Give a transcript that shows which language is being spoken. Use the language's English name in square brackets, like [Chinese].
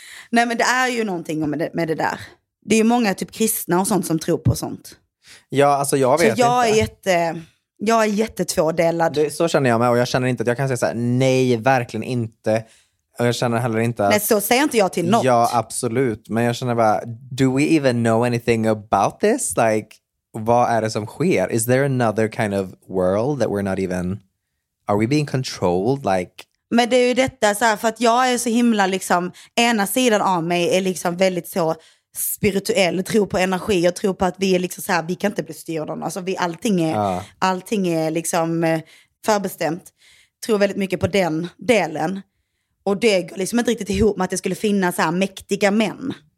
[Swedish] Nej, men det är ju någonting med det där. Det är ju många typ kristna och sånt som tror på sånt. Ja, alltså jag vet så jag inte. Är jätte, jag är jättetvådelad. Det, så känner jag mig och jag känner inte att jag kan säga så här, nej, verkligen inte. Och jag känner heller inte att, nej, så säger inte jag till något. Ja, absolut. Men jag känner bara, [English] do we even know anything about this? Like, [Swedish] vad är det som sker? [English] Is there another kind of world that we're not even, are we being controlled? Like, [Swedish] men det är ju detta så här, för att jag är så himla liksom, ena sidan av mig är liksom väldigt så spirituell, tror på energi och tror på att vi är liksom så här, vi kan inte bli styrda, alltså vi, allting är liksom förbestämt. Tror väldigt mycket på den delen. Och det går liksom inte riktigt ihop med att det skulle finnas så här mäktiga män.